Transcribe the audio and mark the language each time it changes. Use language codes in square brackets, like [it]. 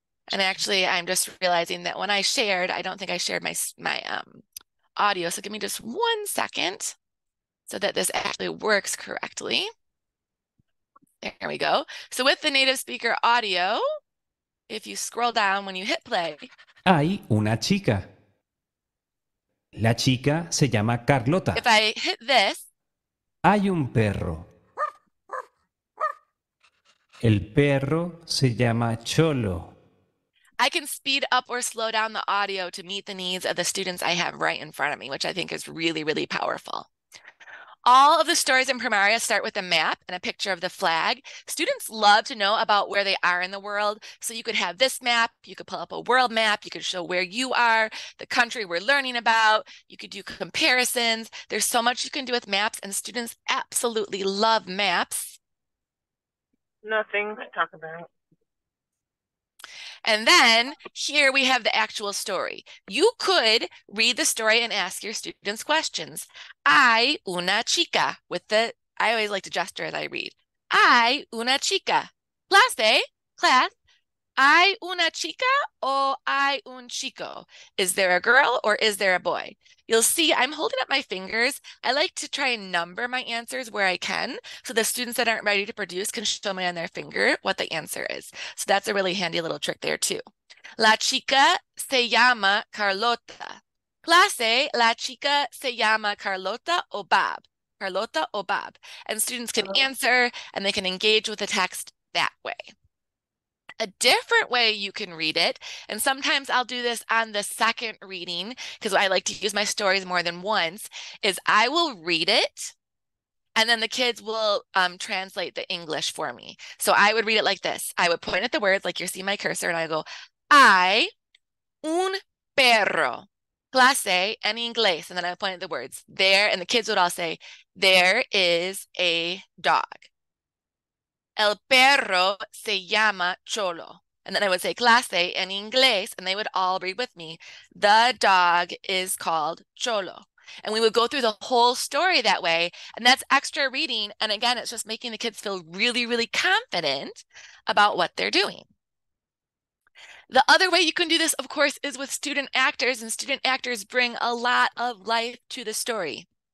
[en] And actually, I'm just realizing that when I shared, I don't think I shared my audio. So give me just 1 second so that this actually works correctly. There we go. So with the native speaker audio, if you scroll down when you hit play. [es] Hay una chica. La chica se llama Carlota. [en] If I hit this. [es] Hay un perro. El perro se llama Cholo. [en] I can speed up or slow down the audio to meet the needs of the students I have right in front of me, which I think is really, really powerful. All of the stories in Primaria start with a map and a picture of the flag. Students love to know about where they are in the world. So you could have this map. You could pull up a world map. You could show where you are, the country we're learning about. You could do comparisons. There's so much you can do with maps, and students absolutely love maps. Nothing to talk about. And then here we have the actual story. You could read the story and ask your students questions. [es] Hay una chica [en] I always like to gesture as I read. [es] Hay una chica. Clase, [en] class, [es] ¿Hay una chica o hay un chico? [en] Is there a girl or is there a boy? You'll see I'm holding up my fingers. I like to try and number my answers where I can so the students that aren't ready to produce can show me on their finger what the answer is. So that's a really handy little trick there too. [es] La chica se llama Carlota. Clase, la chica se llama Carlota o Bob. Carlota o Bob. [en] And students can answer and they can engage with the text that way. A different way you can read it, and sometimes I'll do this on the second reading because I like to use my stories more than once, is I will read it and then the kids will translate the English for me. So I would read it like this. I would point at the words, like you're seeing my cursor, and I go, I [es] un perro. Clase en inglés. [en] And then I would point at the words there, and the kids would all say, there is a dog. [es] El perro se llama Cholo. [en] And then I would say, [es] clase en inglés. [en] And they would all read with me, the dog is called Cholo. And we would go through the whole story that way. And that's extra reading. And again, it's just making the kids feel really, really confident about what they're doing. The other way you can do this, of course, is with student actors. And student actors bring a lot of life to the story.